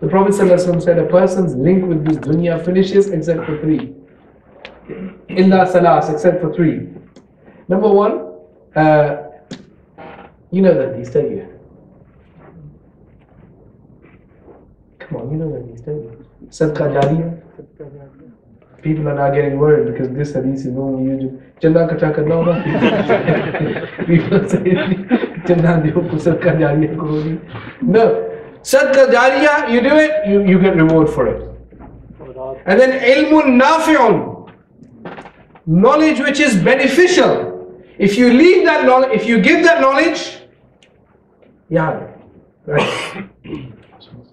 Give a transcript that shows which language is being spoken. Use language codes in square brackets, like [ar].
[en] The Prophet sallallahu alayhi wa sallam said, a person's link with this dunya finishes except for three. [ar] Illa salas, [en] except for three. Number one, you know that hadith, don't you? Come on, you know that hadith, don't you? [ur] صدقہ جاریہ۔ [en] People are now getting worried because this hadith is normally used. [ur] چندہ کٹھا کرنا ہوگا۔ [en] People say [ur] چندہ دیو صدقہ جاریہ کرو۔ [en] No, sadqa jariya, you do it, you get reward for it. And then ilmun nafi'un, knowledge which is beneficial. If you leave that knowledge, if you give that knowledge, yeah, right.